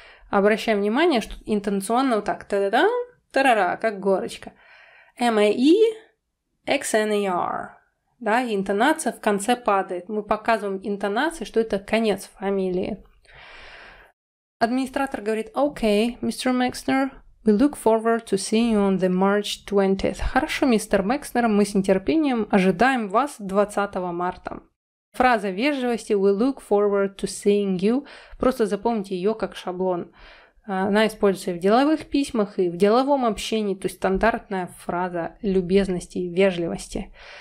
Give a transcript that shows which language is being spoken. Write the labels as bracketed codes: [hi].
[ru] Обращаем внимание, что интонационно вот так, та-да-дам, та-ра-ра, как горочка. M-A-E-X-N-E-R. Да, и интонация в конце падает. Мы показываем интонации, что это конец фамилии. Администратор говорит: «Okay, Mr. [en] Maxner, we look forward to seeing you on the March 20th». [ru] Хорошо, мистер Maxner, мы с нетерпением ожидаем вас 20 марта. Фраза вежливости «We look forward to seeing you». Просто запомните ее как шаблон. Она используется в деловых письмах и в деловом общении. То есть стандартная фраза любезности и вежливости.